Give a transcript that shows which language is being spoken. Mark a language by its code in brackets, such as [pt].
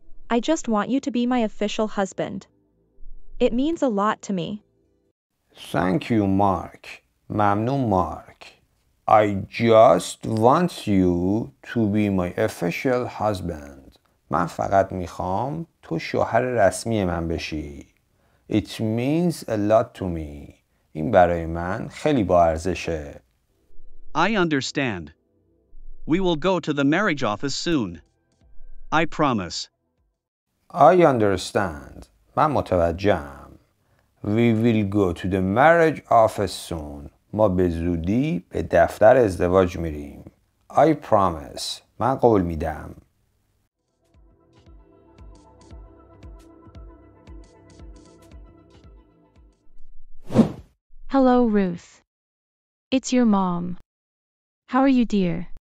[en] I just want you to be my official husband. It means a lot to me. Thank you, Mark. [fa] ممنون, [en] Mark. I just want you to be my official husband. [fa] من فقط میخوام تو شوهر رسمی من بشی. [en] It means a lot to me. [fa] این برای من خیلی با ارزشه. [en] I understand. We will go to the marriage office soon. I promise. I understand. [fa] من متوجهم. [en] We will go to the marriage office soon. [fa] ما به زودی به دفتر ازدواج میریم. [en] I promise. [fa] من قول میدم. [en] Hello, Ruth. It's your mom. How are you, dear?